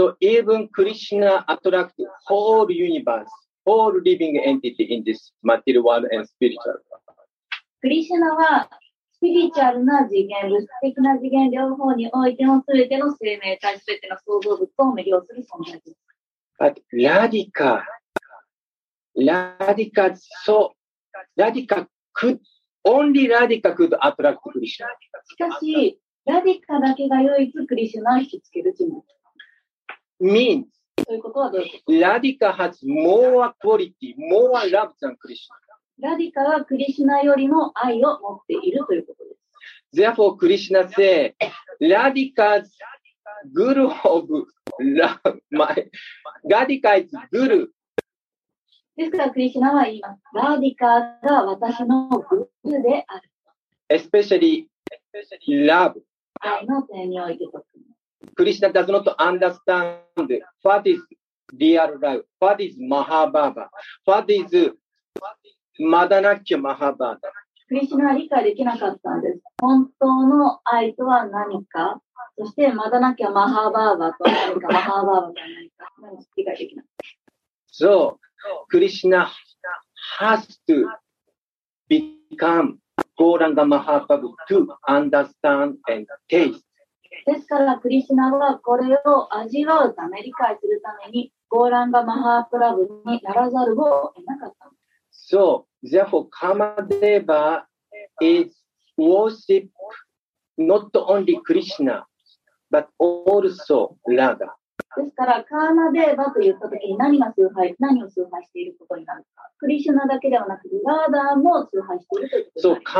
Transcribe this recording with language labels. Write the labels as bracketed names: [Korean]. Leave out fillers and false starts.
[English] So even Krishna attracts whole universe, whole living entity in this material world and spiritual world. [Japanese] クリシュナはスピリチュアルな次元、物質的な次元両方においての全ての生命体、全ての創造物を魅了する存在です。 [English] But Radhika is so, Radhika couldOnly Radhika could attract Krishna. [Japanese] しかし、ラディカだけが唯一クリシュナを引きつける人物。 [English] Means, ラディカ has more quality, more love than Krishna. [Japanese] ラディカはクリシュナよりも愛を持っているということです。 [English] Therefore, Krishna says, ラディカ's guru of love, ラディカ is guru. [Japanese] ですから、クリシュナは言います。ラディカが私のグルーである。 [English] Especially, love. [Japanese] 愛の点においてと [English] クリシュナ does not understand what is real love, what is Mahabhava, what is Madanakya Mahabhava. [Japanese] クリシュナは理解できなかったんです。本当の愛とは何か、そしてマダナキャマハバーバと何か、マハバーバと何か、何も理解できなかった。 [English] So,Krishna has to become Gauranga Mahaprabhu to understand and taste. [Japanese] ですから、クリシナはこれを味わうため、理解するために、ゴーランガ・マハープラブにならざるを得なかった。 [English] So, therefore, Karma Deva is worship not only Krishna, but also Radha. [Japanese] ですから、カーマデーバと言ったときに何が崇拝、何を崇拝していることになるか。クリシュナだけではなく、ラーダーも崇拝しているということになります。